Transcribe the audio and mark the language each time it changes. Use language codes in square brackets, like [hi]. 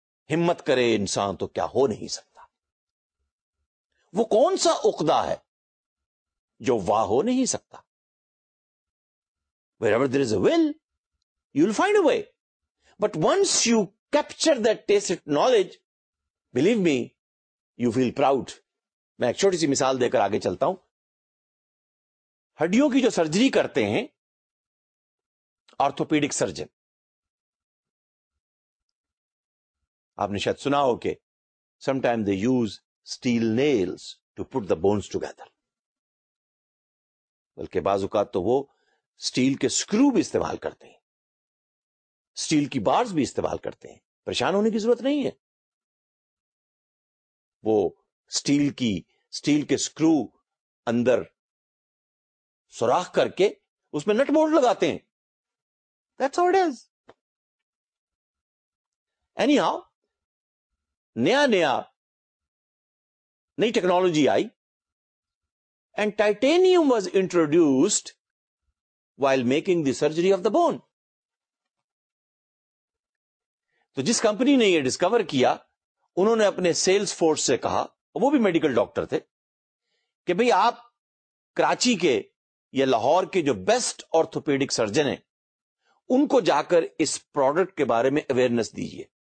[ur] ہمت کرے انسان تو کیا ہو نہیں سکتا. وہ کون سا عقدہ ہے جو واہ ہو نہیں سکتا؟ [en] Wherever there is a will, you'll find a way. But once you capture that tacit knowledge, believe me, you feel proud. [ur] میں ایک چھوٹی سی مثال دے کر آگے چلتا ہوں. ہڈیوں کی جو سرجری کرتے ہیں آرتھوپیڈک سرجن, آپ نے شاید سنا ہو کہ [en] Some time they use steel nails to put the bones together. [ur] بلکہ بعض اوقات تو وہ steel کے screw بھی استعمال کرتے ہیں, steel کی bars بھی استعمال کرتے ہیں. پریشان ہونے کی ضرورت نہیں ہے. وہ steel کے screw اندر سوراخ کر کے اس میں نٹ بولٹ لگاتے ہیں. [en] That's how it is. Anyhow, [ur] naya [en] new technology [ur] aayi, [en] and titanium was introduced while making the surgery of the bone. [ur] تو جس کمپنی نے یہ ڈسکور کیا انہوں نے اپنے سیلز فورس سے کہا, وہ بھی میڈیکل ڈاکٹر تھے, کہ بھئی آپ کراچی کے یا لاہور کے جو بیسٹ آرتھوپیڈک سرجن ہیں ان کو جا کر اس پروڈکٹ کے بارے میں اویئرنس دیجیے.